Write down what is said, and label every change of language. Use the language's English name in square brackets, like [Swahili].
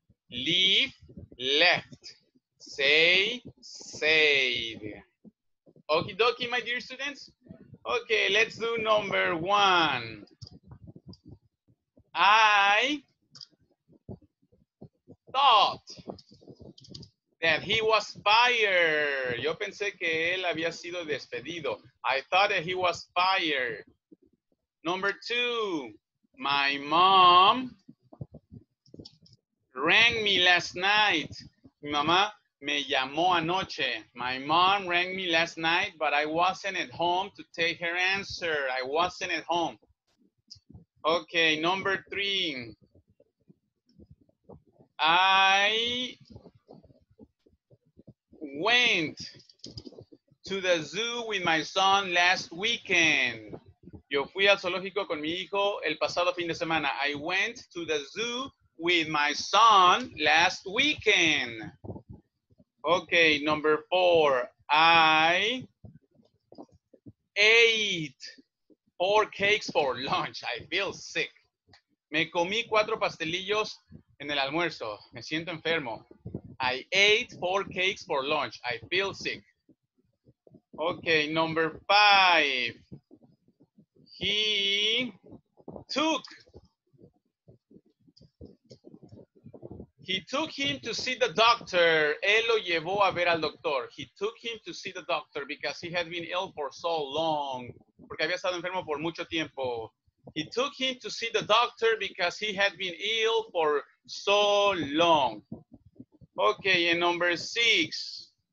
[English] Leave, left. Say, said. Okie dokie, my dear students. Okay, let's do number one. I thought that he was fired. [Spanish] Yo pensé que él había sido despedido. [English] I thought that he was fired. Number two, my mom rang me last night. [Spanish] Mi mamá me llamó anoche. [English] My mom rang me last night, but I wasn't at home to take her answer. I wasn't at home. Okay, number three. I went to the zoo with my son last weekend. [Spanish] Yo fui al zoológico con mi hijo el pasado fin de semana. [English] I went to the zoo with my son last weekend. Okay, number four. I ate 4 cakes for lunch. I feel sick. [Spanish] Me comí 4 pastelillos en el almuerzo. Me siento enfermo. [English] I ate 4 cakes for lunch. I feel sick. [Spanish] Okay, number five. He took. He took him to see the doctor. Él lo llevó a ver al doctor. He took him to see the doctor because he had been ill for so long. Porque había estado enfermo por mucho tiempo. He took him to see the doctor because he had been ill for so long. Okay, and number six.